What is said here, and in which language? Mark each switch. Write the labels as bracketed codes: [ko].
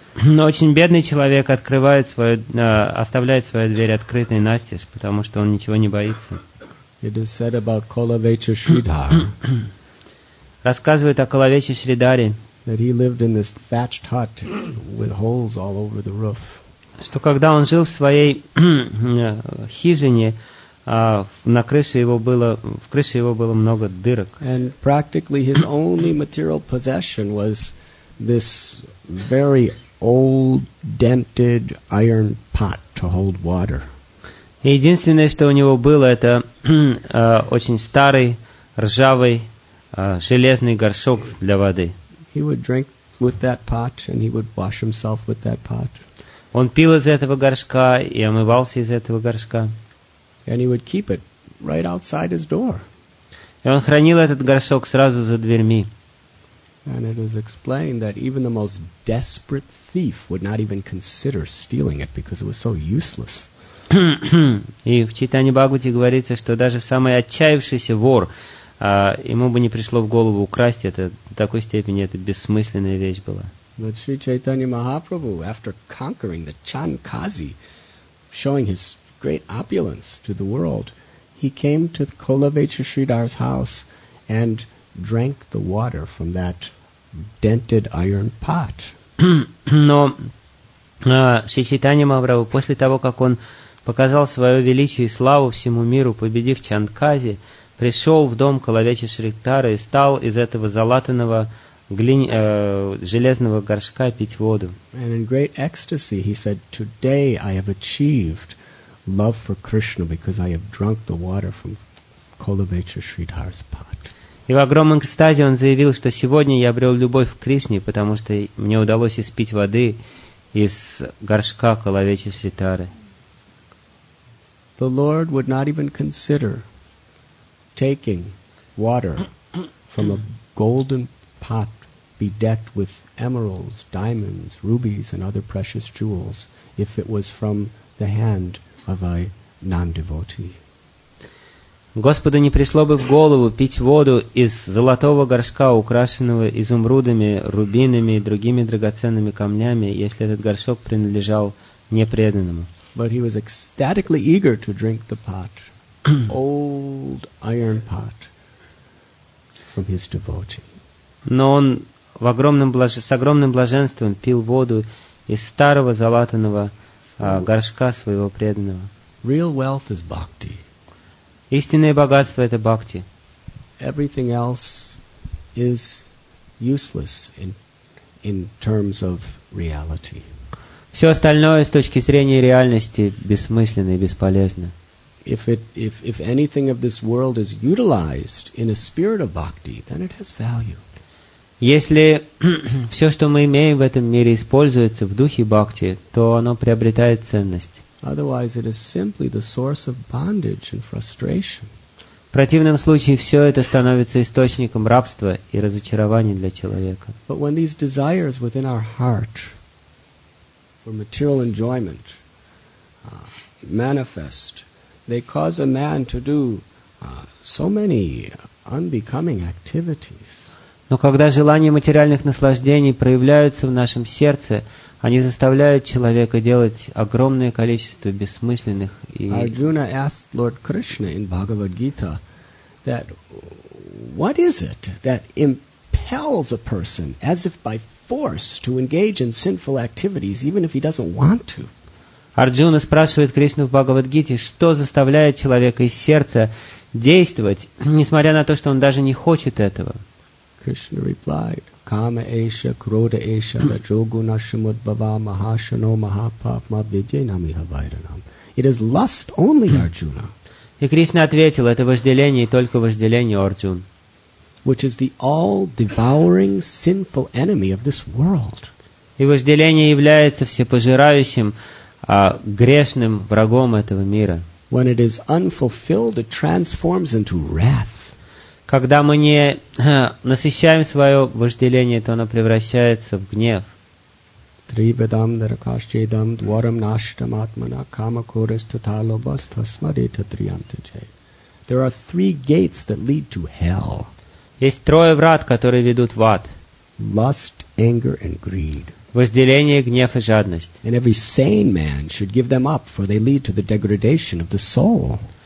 [ru] Но очень бедный человек открывает свою, оставляет свою дверь открытой настежь, потому что он ничего не боится. [en] It is said about Kolavecha Sridhar. [ru] Рассказывает о Коловече Шридаре. [en] That he lived in this thatched hut with holes all over the roof. [ru] Что когда он жил в своей хижине, на крыше его было, в крыше его было много дырок. [en] And practically his only material possession was this very old dented iron pot to hold water. [ru] Единственное, что у него было, это очень старый, ржавый, железный горшок для воды. [en] He would drink with that pot and he would wash himself with that pot. [ru] Он пил из этого горшка и омывался из этого горшка. [en] And he would keep it right outside his door. [ru] И он хранил этот горшок сразу за дверьми. [en] And it is explained that even the most desperate thief would not even consider stealing it because it was so useless. [ru] И в Чайтанья Бхагавате говорится, что даже самый отчаявшийся вор, ему бы не пришло в голову украсть это, до такой степени это бессмысленная вещь была. [en] But Sri Chaitanya Mahaprabhu, after conquering the Chankazi, showing his great opulence to the world, he came to Kolavecha Sridhar's house and drank the water from that dented iron pot. [ru] Но Sri Chaitanya Mahaprabhu, после того, как он показал свое величие и славу всему миру, победив Чанкази, пришел в дом Коловечи Шридхары и стал из этого залатанного железного горшка пить воду. [en] And in great ecstasy he said, "Today I have achieved love for Krishna because I have drunk the water from Kolavecha Sridhar's pot." [ru] И в огромном экстазе он заявил, что сегодня я обрел любовь к Кришне, потому что мне удалось испить воды из горшка Коловечи Шридхары. [en] The Lord would not even consider taking water from a golden pot bedecked with emeralds, diamonds, rubies, and other precious jewels if it was from the hand of a non-devotee. [ru] Господу не пришло бы в голову пить воду из золотого горшка, украшенного изумрудами, рубинами и другими драгоценными камнями, если этот горшок принадлежал непреданному. [en] But he was ecstatically eager to drink the pot, old iron pot, from his devotee. [ru] Но он в огромном с огромным блаженством пил воду из старого залатанного горшка своего преданного. [en] Real wealth is bhakti. [ru] Истинное богатство это бхакти. [en] Everything else is useless in terms of reality. [ru] Все остальное с точки зрения реальности бессмысленно и бесполезно. [en] If anything of this world is utilized in a spirit of bhakti, then it has value. [ru] Если все, что мы имеем в этом мире, используется в духе бхакти, то оно приобретает ценность. [en] Otherwise, it is simply the source of bondage and frustration. [ru] противном случае все это становится источником рабства и разочарования для человека. [en] But when these desires within our heart for material enjoyment manifest, they cause a man to do so many unbecoming activities. [ru] Но когда желания материальных наслаждений проявляются в нашем сердце, они заставляют человека делать огромное количество бессмысленных и... [en] Arjuna asked Lord Krishna in Bhagavad Gita that what is it that impels a person as if by force to engage in sinful activities even if he doesn't want to? [ru] Арджуна спрашивает Кришну в Бхагавадгите, что заставляет человека из сердца действовать, несмотря на то, что он даже не хочет этого. [en] Кришна replied, [sa] Kama esha, krodha esha, rajoguna shamudbhava, mahashano, mahapapma, vidyanami havairanam. [en] It is lust only, Arjuna. [ru] И Кришна ответил, это вожделение и только вожделение, Арджун. [en] Which is the all-devouring sinful enemy of this world. [ru] И вожделение является всепожирающим, грешным врагом этого мира. [en] When it is unfulfilled, it transforms into wrath. [ru] Когда мы не насыщаем свое вожделение, то оно превращается в гнев. [sa] Трибедам даракашчедам дварам наштам атмана кама курас таталобас тасмарита триянтаче. [en] There are three gates that lead to hell. [ru] Есть трое врат, которые ведут в ад. [en] Lust, anger and greed. [ru] Вожделение, гнев и жадность. [en] And every sane man should give them up, for they lead to the degradation of the soul.